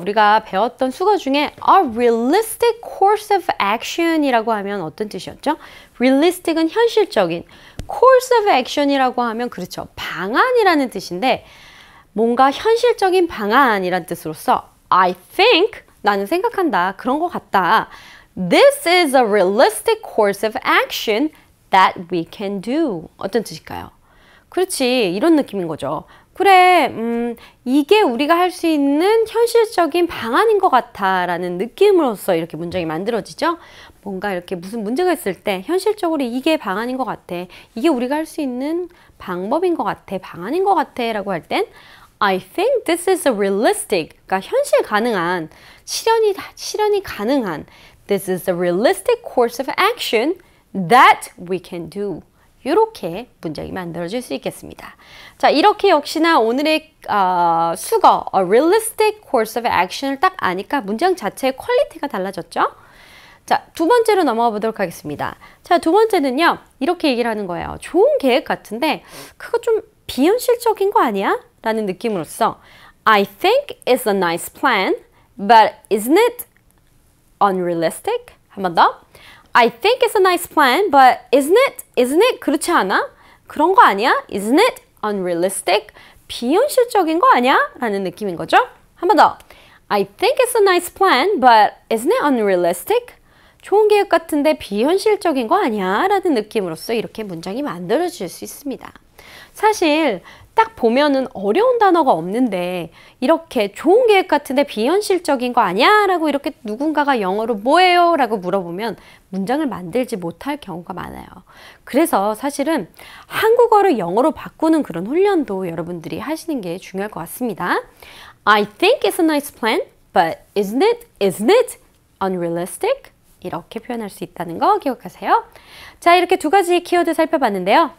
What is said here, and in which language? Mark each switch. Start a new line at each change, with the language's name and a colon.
Korean: 우리가 배웠던 수거 중에
English: A realistic course of action
Korean: 이라고 하면 어떤 뜻이었죠? realistic은 현실적인 course of action이라고 하면 그렇죠. 방안이라는 뜻인데 뭔가 현실적인 방안이라는 뜻으로서
English: I think,
Korean: 나는 생각한다. 그런 것 같다.
English: This is a realistic course of action that we can do.
Korean: 어떤 뜻일까요? 그렇지, 이런 느낌인 거죠. 그래, 이게 우리가 할수 있는 현실적인 방안인 것 같아라는 느낌으로써 이렇게 문장이 만들어지죠. 뭔가 이렇게 무슨 문제가 있을 때 현실적으로 이게 방안인 것 같아, 이게 우리가 할수 있는 방법인 것 같아, 방안인 것 같아라고 할땐 I think this is a realistic, 그러니까 현실 가능한, 실현이 가능한
English: This is a realistic course of action that we can do.
Korean: 이렇게 문장이 만들어질 수 있겠습니다. 자, 이렇게 역시나 오늘의 수거,
English: a realistic course of action
Korean: 을 딱 아니까 문장 자체의 퀄리티가 달라졌죠? 자, 두 번째로 넘어가 보도록 하겠습니다. 자, 두 번째는요, 이렇게 얘기를 하는 거예요. 좋은 계획 같은데, 그거 좀 비현실적인 거 아니야? 라는 느낌으로써,
English: I think it's a nice plan, but isn't it unrealistic?
Korean: 한번 더.
English: I think it's a nice plan, but isn't it
Korean: 그렇지 않아? 그런 거 아니야?
English: Isn't it unrealistic?
Korean: 비현실적인 거 아니야? 라는 느낌인 거죠. 한번 더.
English: I think it's a nice plan, but isn't it unrealistic?
Korean: 좋은 계획 같은데 비현실적인 거 아니야? 라는 느낌으로써 이렇게 문장이 만들어질 수 있습니다. 사실 딱 보면은 어려운 단어가 없는데 이렇게 좋은 계획 같은데 비현실적인 거 아니야? 라고 이렇게 누군가가 영어로 뭐예요? 라고 물어보면 문장을 만들지 못할 경우가 많아요. 그래서 사실은 한국어를 영어로 바꾸는 그런 훈련도 여러분들이 하시는 게 중요할 것 같습니다.
English: I think it's a nice plan, but isn't it unrealistic?
Korean: 이렇게 표현할 수 있다는 거 기억하세요. 자, 이렇게 두 가지 키워드 살펴봤는데요.